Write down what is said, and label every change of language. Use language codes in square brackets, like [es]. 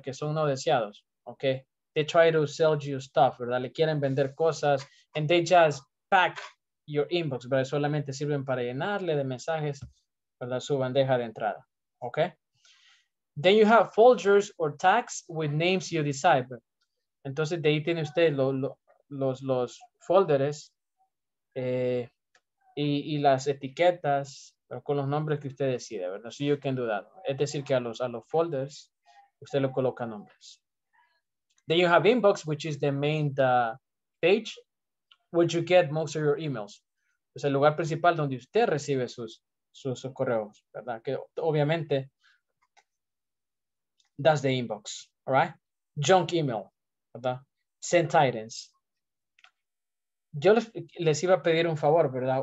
[en] Que son no deseados, okay? They try to sell you stuff, ¿verdad? Le quieren vender cosas and they just pack your inbox, ¿verdad? [es] Solamente sirven para llenarle de mensajes, ¿verdad? Su bandeja de entrada. Okay. [en] Then you have folders or tags with names you decide. [es] Entonces, de ahí tiene usted los folders y las etiquetas con los nombres que usted decide, ¿verdad? So you can do that. Es decir, que a los folders usted lo coloca nombres. [en] Then you have inbox, which is the main page where you get most of your emails. [es] Es el lugar principal donde usted recibe sus correos, ¿verdad? [en] Que obviamente, that's the inbox, all right? [es] Junk email, ¿verdad? Sent items. Yo les iba a pedir un favor, ¿verdad?